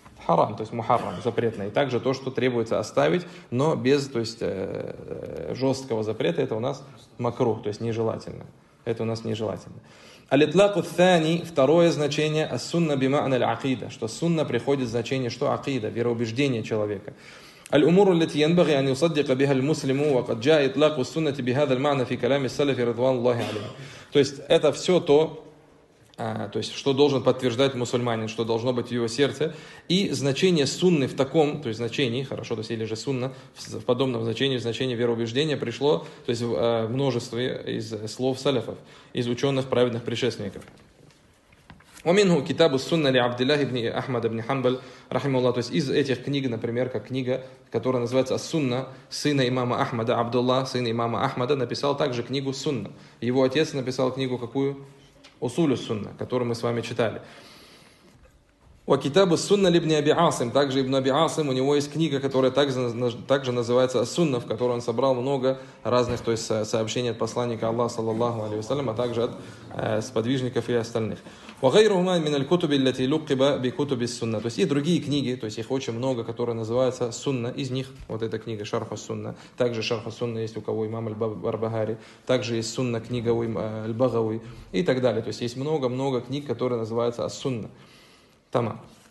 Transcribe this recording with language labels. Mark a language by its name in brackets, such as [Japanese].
[Russian] Харам, то есть, мухаррам, запретное. И также то, что требуется оставить, но без, то есть, жесткого запрета, это у нас макрух, то есть, нежелательно. Это у нас нежелательно. [Arabic] Алитлаку ат-тани, [Russian] второе значение, [Arabic] ас-сунна бима'на аль-акида, [Russian] что сунна приходит в значение, что акида, вероубеждение человека. [Arabic] الأمور التي ينبغي أن يصدق بها المسلم وقد جاء إطلاق السنة بهذا المعنى في كلام السلف رضوان الله عليه. [Russian] То есть это все то, то есть что должен подтверждать мусульманин, что должно быть в его сердце, и значение сунны в таком, то есть значении, хорошо, то есть или же сунна в подобном значении, в значении вероубеждения пришло, то есть множество из слов салифов, из ученых праведных предшественников. [Arabic] ومنه كتاب السنة لعبد الله بن أحمد بن حنبل رحمه الله. [Russian] То есть из этих книг, например, как книга, которая называется «Сунна», сына имама Ахмада, Абдулла, сына имама Ахмада, написал также книгу «Сунна». Его отец написал книгу какую? «Усулю Сунна», которую мы с вами читали. [Arabic] وكتاب السنة لابن أبي عاصم. [Russian] Также ابن أبي عاصم, у него есть книга, которая также называется «Сунна», в которой он собрал много разных, то есть сообщений от посланника Аллаха, саллаллаху алейхи ва саллям, а также от сподвижников и остальных. [Arabic] وغيرهما من الكتب التي لقب بكتب السنة. [Russian] То есть и другие книги, то есть их очень много, которые называются «Сунна». Из них вот эта книга «Шарху Сунна». Также «Шарху Сунна» есть у кого? Имам аль-Барбахари. Также есть «Сунна» книга у аль-Багави и так далее. То есть есть много-много книг, которые называются «Сунна». Тамам.